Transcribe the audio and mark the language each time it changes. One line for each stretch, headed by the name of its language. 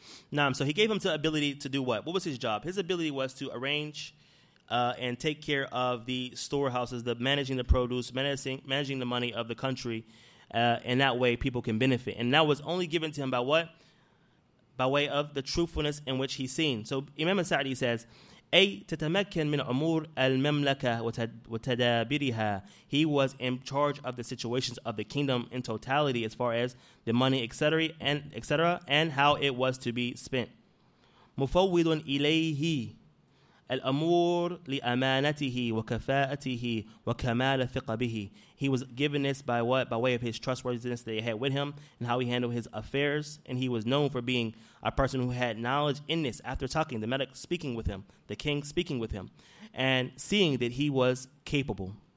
English: Nam. So he gave him the ability to do what? What was his job? His ability was to arrange and take care of the storehouses, the managing the produce, managing the money of the country, and that way people can benefit. And that was only given to him by what? By way of the truthfulness in which he's seen. So Imam al-Sa'di says,
Arabic: أي تتمكن من أمور المملكة وتدابيرها.
English: He was in charge of the situations of the kingdom in totality as far as the money, etc., and how it was to be spent.
Arabic: مفوض إليه الأمور لأمانته وكفاءته وكمال ثقة به.
English: He was given this by what? By way of his trustworthiness that he had with him and how he handled his affairs. And he was known for being a person who had knowledge in this. After talking, the medic speaking with him, the king speaking with him, and seeing that he was capable.